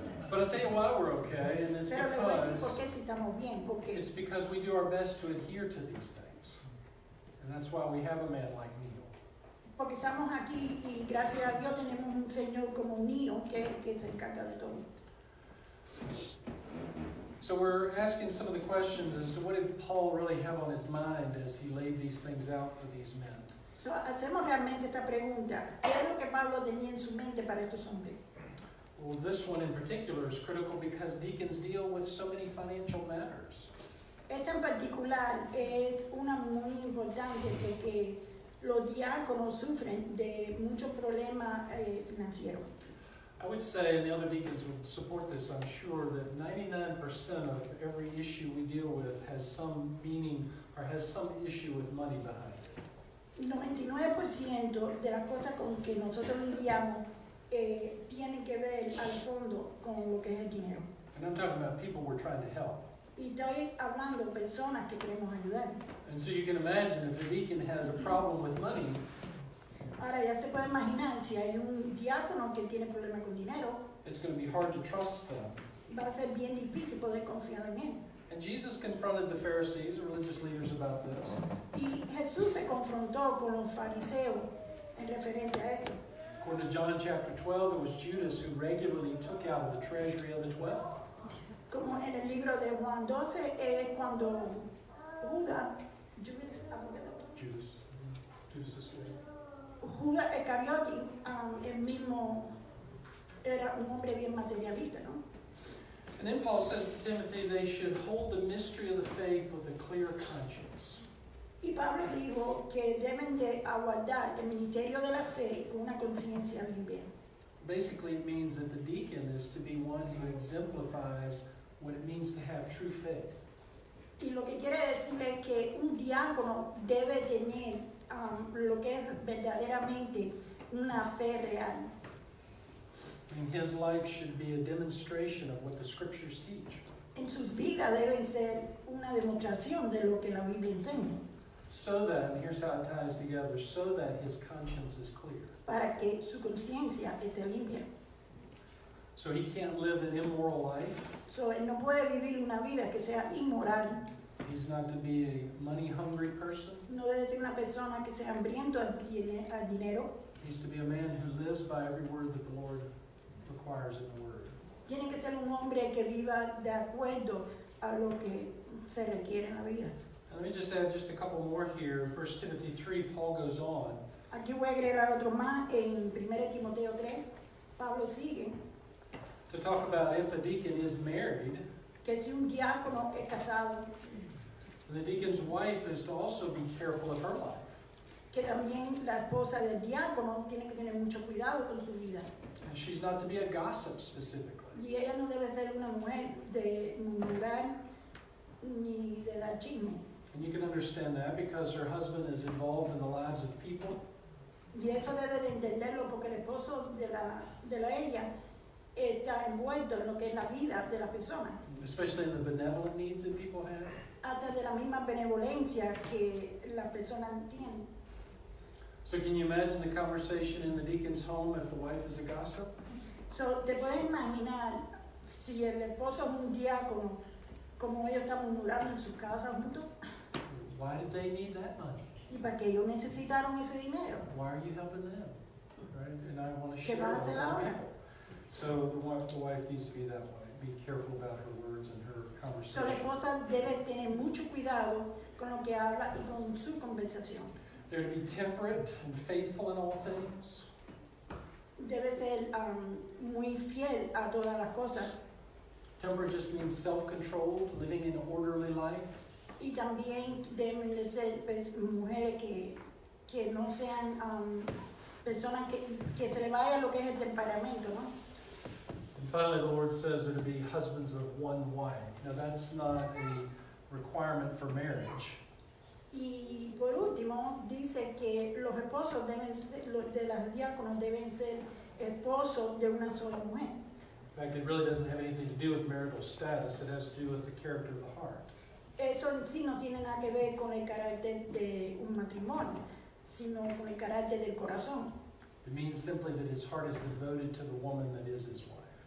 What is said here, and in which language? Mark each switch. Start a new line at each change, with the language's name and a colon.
English: But I'll tell you why we're okay, and it's because we do our best to adhere to these things. And that's why we have a man like Neil.
Spanish: Porque estamos aquí y gracias a Dios tenemos un señor como Neil que se encarga de todo.
English: So we're asking some of the questions as to what did Paul really have on his mind as he laid these things out for these men.
Spanish: So hacemos realmente esta pregunta. ¿Qué es lo que Pablo tenía en su mente para estos hombres?
English: Well, this one in particular is critical because deacons deal with so many financial matters.
Spanish: Esta en particular es una muy importante porque los diáconos sufren de muchos problemas financieros.
English: I would say, and the other deacons would support this, I'm sure, that 99% of every issue we deal with has some meaning or has some issue with money behind it.
Spanish: 99% de las cosas con que nosotros lidiamos tienen que ver al fondo con lo que es el dinero.
English: And I'm talking about people we're trying to help.
Spanish: Y estoy hablando de personas que queremos ayudar.
English: And so you can imagine if a deacon has a problem with money,
Spanish: ahora ya se puede imaginar si hay un diácono que tiene problemas con dinero.
English: It's going to be hard to trust them.
Spanish: Va a ser bien difícil poder confiar en él.
English: And Jesus confronted the Pharisees, the religious leaders, about this.
Spanish: Y Jesús se confrontó con los fariseos en referente a esto.
English: According to John chapter 12, it was Judas who regularly took out of the treasury of the 12.
Spanish: Como en el libro de Juan 12 es cuando Judas Iscariote, el mismo era un hombre bien materialista, ¿no?
English: And then Paul says to Timothy they should hold the mystery of the faith with a clear conscience.
Spanish: Y Pablo dijo que deben de aguardar el ministerio de la fe con una conciencia limpia.
English: Basically it means that the deacon is to be one who exemplifies what it means to have true faith.
Spanish: Y lo que quiere decir es que un diácono debe tener lo que es verdaderamente una fe real.
English: And his life should be a demonstration of what the scriptures teach.
Spanish: En sus vidas deben ser una demostración de lo que la Biblia enseña.
English: So that, and here's how it ties together, so that his conscience is clear.
Spanish: Para que su conciencia esté limpia.
English: So he can't live an immoral life.
Spanish: So él no puede vivir una vida que sea inmoral.
English: He's not to be a money hungry person.
Spanish: No debe ser una persona que sea hambriento a dinero.
English: He's to be a man who lives by every word that the Lord requires in the word.
Spanish: Tiene que ser un hombre que viva de acuerdo a lo que se requiere en la vida.
English: Let me just add just a couple more here. In 1 Timothy 3, Paul goes on.
Spanish: Aquí voy a agregar otro más en 1 Timoteo 3. Pablo sigue.
English: To talk about if a deacon is married.
Spanish: Que si un diácono es casado.
English: And the deacon's wife is to also be careful of her life.
Spanish: Que también la esposa del diácono tiene que tener mucho cuidado con su vida.
English: And she's not to be a gossip specifically.
Spanish: Y ella no debe ser una mujer de murmurar ni de dar chisme.
English: And you can understand that because her husband is involved in the lives of people.
Spanish: Y eso debe de entenderlo porque el esposo de la ella está envuelto en lo que es la vida de la persona.
English: Especially in the benevolent needs that people have.
Spanish: Hasta de la misma benevolencia que la persona tiene.
English: So can you imagine the conversation in the deacon's home if the wife is a gossip?
Spanish: So te puedes imaginar si el esposo es un diácono, como ellos están murmurando en su casa juntos.
English: Why did they need that money?
Spanish: ¿Y para qué ellos necesitaron ese dinero?
English: Why are you helping them? Right? And I want to
Spanish: ¿Qué vas a hacer ahora?
English: So the wife needs to be that way. Be careful about her words and her conversation.
Spanish: So la esposa debe tener mucho cuidado con lo que habla y con su conversación.
English: They're to be temperate and faithful in all things.
Spanish: Debe ser muy fiel a todas las cosas.
English: Temperate just means self-controlled, living an orderly life.
Spanish: Y también deben de ser mujeres que no sean personas que se le vaya lo que es el temperamento, ¿no?
English: And finally, the Lord says there to be husbands of one wife. Now, that's not a requirement for marriage.
Spanish: Y por último, dice que los esposos deben ser, los de las diáconos deben ser esposos de una sola mujer.
English: In fact, it really doesn't have anything to do with marital status. It has to do with the character of the heart.
Spanish: Eso en sí no tiene nada que ver con el carácter de un matrimonio, sino con el carácter del corazón.
English: It means simply that his heart is devoted to the woman that is his wife.